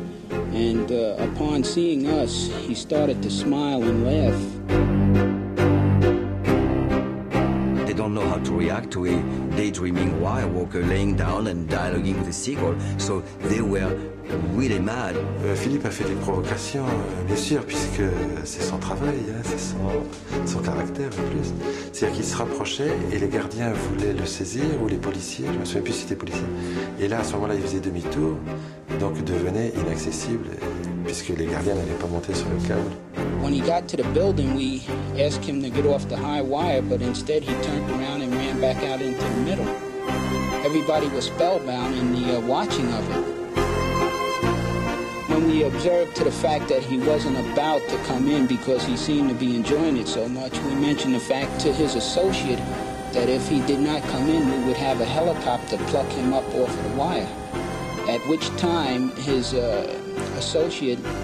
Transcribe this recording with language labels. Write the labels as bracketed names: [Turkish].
[English] And upon seeing us, he started to smile and laugh. They don't know how to react to a daydreaming wire walker laying down and dialoguing with a seagull, so they were really mad. [French] Philippe a fait des provocations, bien sûr, puisque c'est son travail, hein, c'est son caractère en plus. C'est-à-dire qu'il se rapprochait et les gardiens voulaient le saisir, ou les policiers, je me souviens plus si c'était policier. Et là, à ce moment-là, il faisait demi-tour, donc devenait inaccessible, puisque les gardiens n'allaient pas monter sur le câble. [English] When he got to the building, we asked him to get off the high wire, but instead he turned around and ran back out into the middle. Everybody was spellbound in the watching of it. When we observed to the fact that he wasn't about to come in because he seemed to be enjoying it so much, we mentioned the fact to his associate that if he did not come in, we would have a helicopter pluck him up off the wire. At which time, his associate